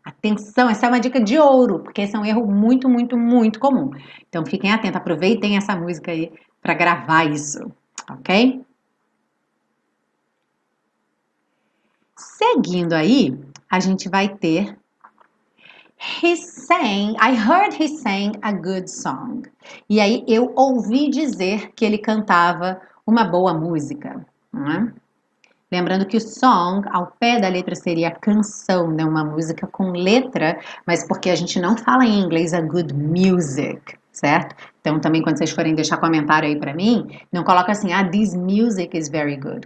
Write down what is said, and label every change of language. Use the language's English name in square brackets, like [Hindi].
[Portuguese] Atenção, essa é uma dica de ouro, porque esse é um erro muito, muito, muito comum. Então fiquem atentos, aproveitem essa música aí para gravar isso, ok? Seguindo aí, a gente vai ter. [English] I heard he sang a good song. [Portuguese] E aí eu ouvi dizer que ele cantava uma boa música, não é? Lembrando que o song, ao pé da letra, seria canção, né? Uma música com letra, mas porque a gente não fala em inglês a good music, certo? Então, também quando vocês forem deixar comentário aí para mim, não coloca assim, ah, [English] this music is very good.